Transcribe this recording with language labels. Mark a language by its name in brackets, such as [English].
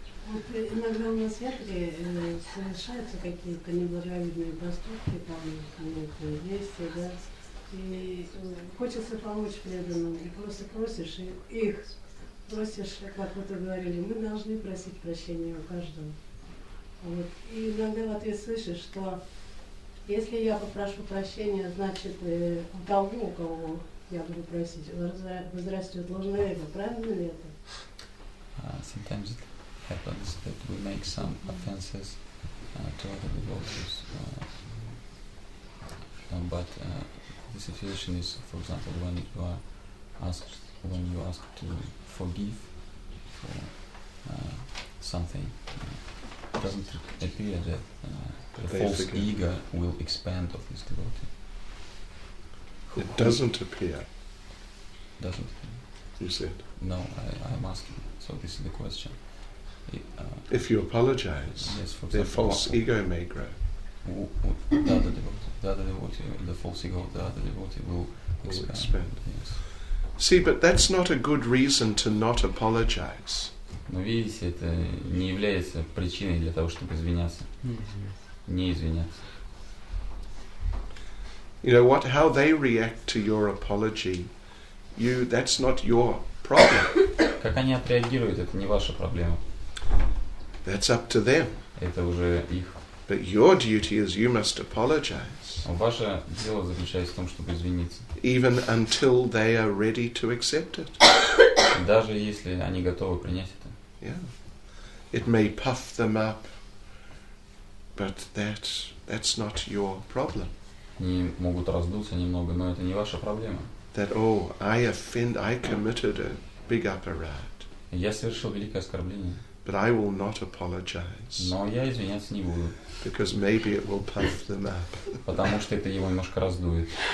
[Russian] Вот иногда у нас в ядре совершаются какие-то неблаговидные поступки, там, действия, да, и хочется помочь преданным, и просто просишь их, просишь, как вы-то говорили, мы должны просить прощения у каждого. Вот. И иногда в ответ слышишь, что если я попрошу прощения, значит, у того, у кого я буду просить, возрастет ложное эго, правильно ли это? [English] Sometimes it happens that we make some offenses to other devotees, but the situation is, for example, when you are asked, when you ask to forgive for something, it doesn't appear that the false ego will expand of this devotee. It doesn't appear. Doesn't. You said. No, I'm asking. So this is the question. If you apologize, yes, their false ego may grow. The false ego of the other devotee will expand. Yes. See, but that's not a good reason to not apologize. [Russian] Но видите, это не является причиной для того, чтобы извиняться. Не извиняться. [English] You know what? How they react to your apology, that's not your problem. [Russian] Как они отреагируют, это не ваша проблема. [English] That's up to them. [Russian] Это уже их [English] But your duty is you must apologize. [Russian] Ваше дело заключается в том, чтобы извиниться. [English] Even until they are ready to accept it. [Russian] Даже если они готовы принять это. [English] Yeah. It may puff them up, but that's not your problem. [Russian] Они могут раздуться немного, но это не ваша проблема. [English] That I committed a big apparat. [Russian] Я совершил великое оскорбление. [English] But I will not apologize. [Russian] Но я извиняться не буду. [English] Because maybe it will puff them up. [Russian] Потому что это его немножко раздует.